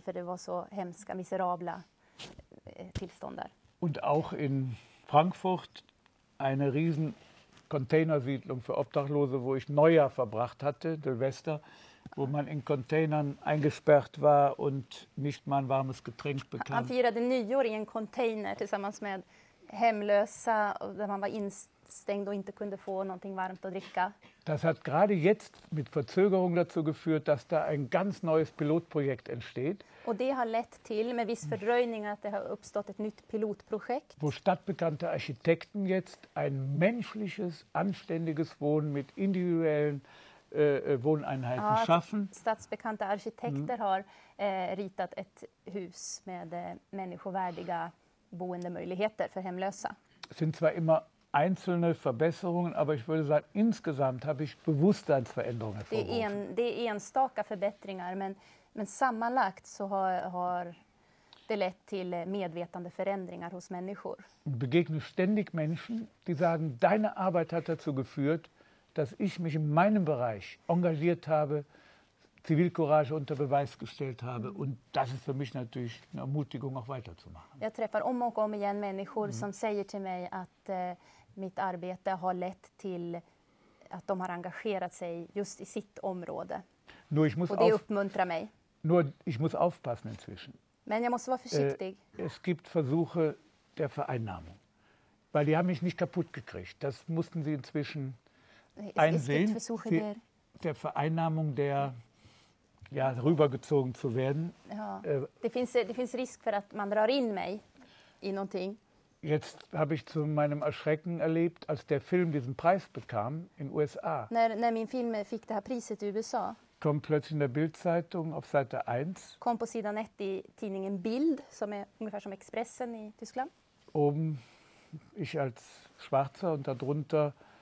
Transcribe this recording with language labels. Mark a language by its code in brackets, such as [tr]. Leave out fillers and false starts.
[sv] För det var så hemska, miserabla tillstånd där. [de] Und auch in Frankfurt eine riesen Containersiedlung für Obdachlose, wo ich Neujahr verbracht hatte, Silvester. Wo man in Containern eingesperrt war und nicht mal ein warmes Getränk bekam. [sv] Han firade nyår i en container tillsammans med hemlösa, där man var instängd och inte kunde få någonting varmt att dricka. [de] Das hat gerade jetzt mit Verzögerung dazu geführt, dass da ein ganz neues Pilotprojekt entsteht. [sv] Och det har lett till, med viss fördröjning, att det har uppstått ett nytt pilotprojekt. [de] Wo stadtbekannte Architekten jetzt ein menschliches, anständiges Wohnen mit individuellen Wohneinheiten schaffen. [sv] Stadsbekannte Architekter har ritat ett hus med människovärdiga boendemöjligheter för hemlösa. [de] Es sind zwar immer einzelne Verbesserungen, aber ich würde sagen, insgesamt habe ich Bewusstseinsveränderungen vorgerufen. [sv] Det är enstaka förbättringar, men sammanlagt så har det lett till medvetande förändringar hos människor. [de] Ich begegne ständig Menschen, die sagen, deine Arbeit hat dazu geführt, dass ich mich in meinem Bereich engagiert habe, Zivilcourage unter Beweis gestellt habe. Und das ist für mich natürlich eine Ermutigung, auch weiterzumachen. [sv] Jag träffar om och om igen människor som säger till mig att mitt arbete har lett till att de har engagerat sig just i sitt område. [de] Nur ich muss [sv] och det uppmuntrar mig. [de] Nur ich muss aufpassen inzwischen. [sv] Men jag måste vara försiktig. [de] Es gibt Versuche der Vereinnahmung. Weil die haben mich nicht kaputt gekriegt. Das mussten sie inzwischen einsehen. Es gibt Versuche sie, der Vereinnahmung der ja, rübergezogen zu werden. Ja. [sv] Det finns risk för att man drar in mig i någonting. [de] Jetzt habe ich zu meinem Erschrecken erlebt, als der Film diesen Preis bekam in USA. [sv] När min film fick det här priset i USA. [de] Kommt plötzlich in der Bild-Zeitung auf Seite 1. [sv] Kom på sidan 1 i tidningen Bild, som är ungefär som Expressen i Tyskland. [de] Oben ich als Schwarzer und darunter